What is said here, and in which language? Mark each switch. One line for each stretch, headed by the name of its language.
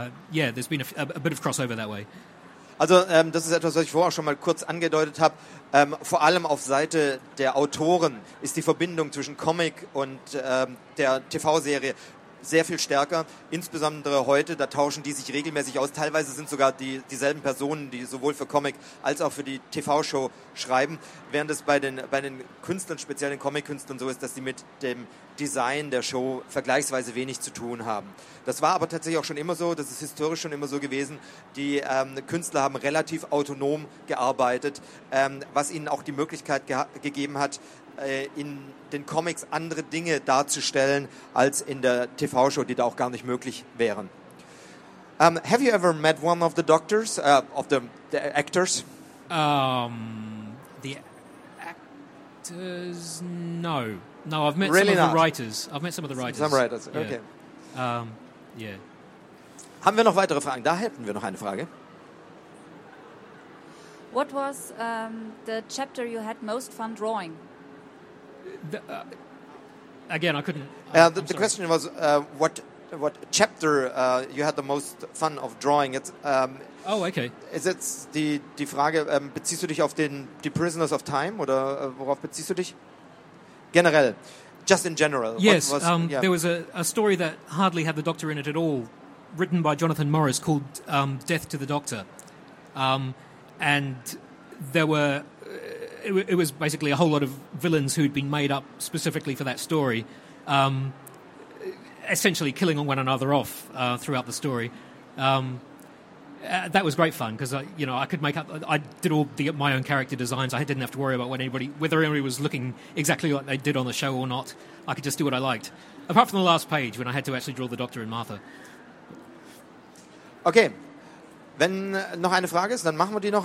English: There's been a bit of crossover that way.
German: Also, das ist etwas, was ich vorher schon mal kurz angedeutet habe. Vor allem auf Seite der Autoren ist die Verbindung zwischen Comic und der TV-Serie sehr viel stärker, insbesondere heute, da tauschen die sich regelmäßig aus. Teilweise sind sogar dieselben Personen, die sowohl für Comic als auch für die TV-Show schreiben, während es bei den Künstlern, speziell den Comic-Künstlern so ist, dass sie mit dem Design der Show vergleichsweise wenig zu tun haben. Das war aber tatsächlich auch schon immer so, das ist historisch schon immer so gewesen, die Künstler haben relativ autonom gearbeitet, was ihnen auch die Möglichkeit gegeben hat, in den Comics andere Dinge darzustellen als in der TV-Show, die da auch gar nicht möglich wären.
English: Have you ever met one of the doctors, of the actors? The actors, no. No, I've met really some Of the writers. I've met some of the writers. Some writers, okay. Yeah.
German: Haben wir noch weitere Fragen? Da hätten wir noch eine Frage.
English: What was the chapter you had most fun drawing? Again, I couldn't. The question was what chapter you had the most fun of drawing. Oh, okay.
German: Ist jetzt die Frage, beziehst du dich auf die Prisoners of Time oder worauf beziehst du dich? Generell,
English: just in general. Yes, there was a story that hardly had the Doctor in it at all, written by Jonathan Morris, called Death to the Doctor. It was basically a whole lot of villains who'd been made up specifically for that story, essentially killing one another off throughout the story. That was great fun because, you know, I could make up. I did all the, my own character designs. I didn't have to worry about what anybody, whether anybody was looking exactly like they did on the show or not. I could just do what I liked, apart from the last page when I had to actually draw the Doctor and Martha.
German: Okay, wenn noch eine Frage ist, dann machen wir die noch.